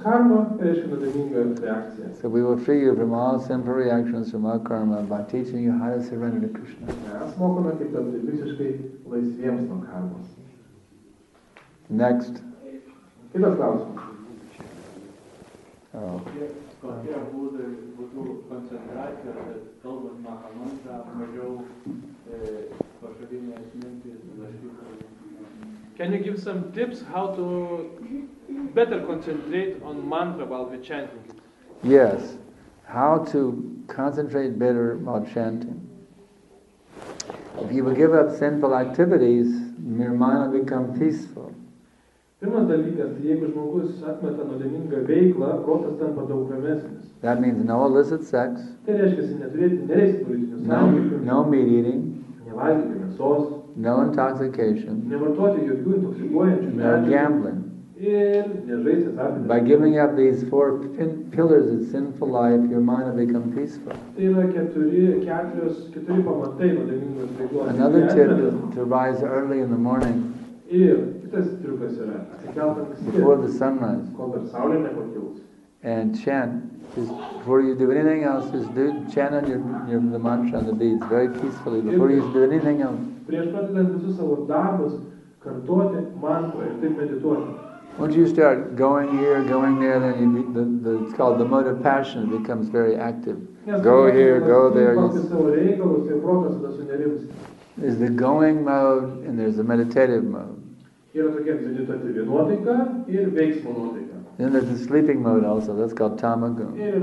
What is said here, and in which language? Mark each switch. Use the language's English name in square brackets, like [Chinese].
[Lithuanian] Karma reiškia nuodėmingą reakciją. [English] So we will free you from all sinful reactions, from all karma, by teaching you how to surrender to Krishna. [Lithuanian] Mes mokome, kaip tapti visiškai laisviems nuo karmos. [English] Next. [Lithuanian] Kitas klausimas. Oh. Kokie būdai būtų koncentracija, bet kalbant mahamantrą, mažiau pašalinės mintys, dažkiai. [English] Can you give some tips how to better concentrate on mantra while we're chanting? Yes. How to concentrate better while chanting. If you will give up sinful activities, your mind will become peaceful. [Lithuanian] Pirmas dalykas, jeigu žmogus atmeta nuodėmingą veiklą, protas tampa daug ramesnis. [English] That means no illicit sex. [Lithuanian] Tai reiškia, neturėti neleistinų politinių santykių. [English] No meat eating. [Lithuanian] Nevalgyti mėsos. [English] No intoxication. [Lithuanian] Nevartoti jokių intoksikuojančių medžiagų. [English] No gambling. [Lithuanian] Ir nežaisti azartinių. [English] By giving up these four pillars of sinful life, your mind will become peaceful. [Lithuanian] Tai yra keturi pamatai nuodėmingos veiklos. [English] Another tip is to rise early in the morning. [Lithuanian] Ir kitas triukas yra atsikelti anksti. [English] Before the sunrise. [Lithuanian] Kol dar saulė nepakils. [English] And chant. Just before you do anything else, just do chant on your the mantra and the deeds very peacefully before you do anything else. [Lithuanian] Prieš pradedant visus savo darbus, kartoti mantrą ir taip medituoti. [English] Once you start going here, going there, then you meet the it's called the mode of passion, becomes very active. Go here, go there. There's the going mode and there's the meditative mode. [Lithuanian] Yra tokia meditatyvi nuotaika ir veiksmo nuotaika. [English] Then there's a sleeping mode also, that's called tamaguna.